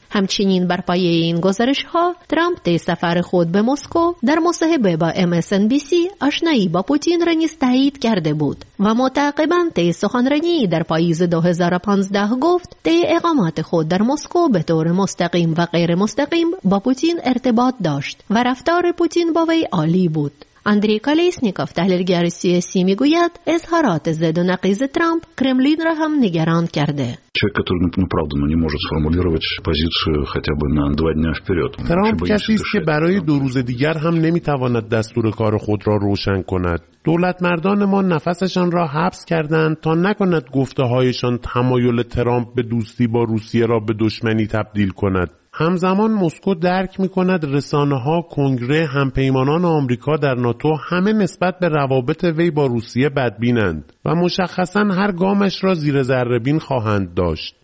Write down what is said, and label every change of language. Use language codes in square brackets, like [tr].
[fa] همچنین بر پایه این گزارش ها ترامپ طی سفر خود به مسکو در مصاحبه با MSNBC آشنایی با پوتین را نیز تایید کرده بود و متعاقباً طی سخنرانی در پاییز 2015 گفت طی اقامات خود در مسکو به طور مستقیم و غیر مستقیم با پوتین ارتباط داشت و رفتار پوتین با وی عالی بود. اندری کالیسنیکوف تحلیلگر سیاسی میگوید اظهارات زد و نقیز ترامپ کرملین را هم نگران کرده. [ru] Человек, который неправдано не может сформулировать позицию хотя бы на 2 дня вперёд. [fa] ترامپ کسی است که برای دو روز دیگر هم نمیتواند دستور کار خود را روشن کند. دولت مردان ما نفسشان را حبس کردند تا نکند گفته هایشان تمایل ترامپ به دوستی با روسیه را به دشمنی تبدیل کند. همزمان مسکو درک می‌کند رسانه‌ها، کنگره، همپیمانان آمریکا در ناتو همه نسبت به روابط وی با روسیه بدبینند و مشخصاً هر گامش را زیر ذره‌بین خواهند داشت.